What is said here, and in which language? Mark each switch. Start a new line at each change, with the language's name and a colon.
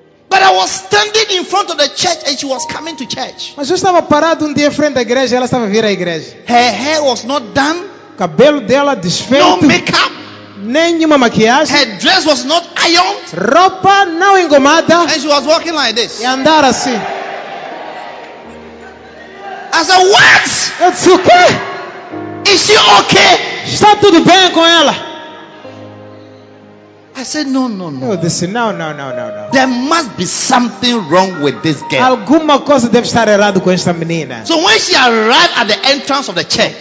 English: But I was standing in front of the church and she was coming to church.
Portuguese: Mas eu estava parado um dia frente à igreja e ela estava a vir à igreja.
English: Her hair was not done.
Portuguese: Cabelo dela desfeito.
English: No makeup.
Portuguese: Nenhuma maquiagem.
English: Her dress was not ironed.
Portuguese: Roupa não engomada.
English: And she was walking like this.
Portuguese: E andar assim.
English: I said, what? It's okay. Is she okay?
Portuguese: Está tudo bem com ela?
English: I said, no. No. There must be something wrong with this girl.
Portuguese: Alguma coisa deve estar errado com esta menina.
English: So when she arrived at the entrance of the church,